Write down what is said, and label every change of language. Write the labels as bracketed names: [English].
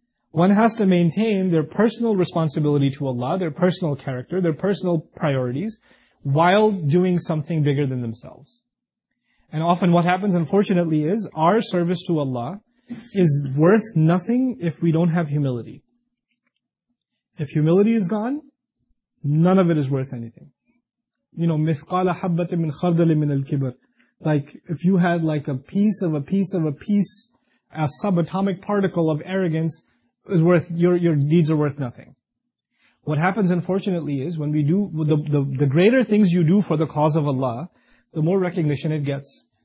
[English] One has to maintain their personal responsibility to Allah, their personal character, their personal priorities, while doing something bigger than themselves. And often what happens, unfortunately, is our service to Allah is worth nothing if we don't have humility. If humility is gone, none of it is worth anything. You know, [Arabic] مِثْقَالَ حَبَّةٍ مِنْ خَرْدَلٍ مِنَ الْكِبْرِ. [English] Like, if you had like a piece of a piece of a piece, a subatomic particle of arrogance, is worth, your deeds are worth nothing. What happens, unfortunately, is when we do, the greater things you do for the cause of Allah, the more recognition it gets.